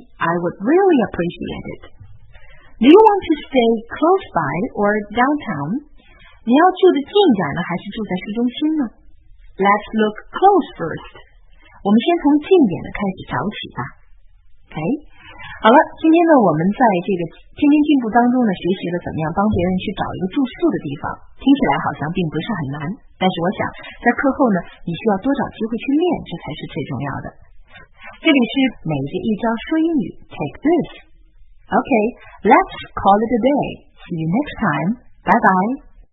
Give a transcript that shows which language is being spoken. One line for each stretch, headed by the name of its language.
English: I would really appreciate itDo you want to stay close by or downtown?
Chinese: 你要住得近点呢，还是住在市中心呢？
English: Let's look close first.
Chinese: 我们先从近点的开始找起吧。OK， 好了，今天呢，我们在这个天天进步当中呢，学习了怎么样帮别人去找一个住宿的地方。听起来好像并不是很难，但是我想在课后呢，你需要多找机会去练，这才是最重要的。这里是每日一招说英语
English: ，Take this。Okay, let's call it a day. See you next time. Bye-bye.